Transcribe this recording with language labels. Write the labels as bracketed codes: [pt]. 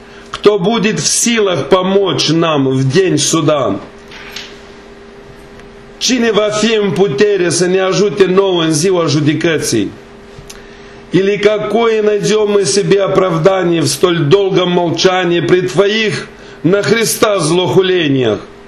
[ru] Кто будет в силах помочь нам в день суда? [ro] Cine va fi în putere să ne ajute nouă în ziua judecății? [ru] Или какое найдем мы себе оправдание в столь долгом молчании при твоих на Христа злохулениях?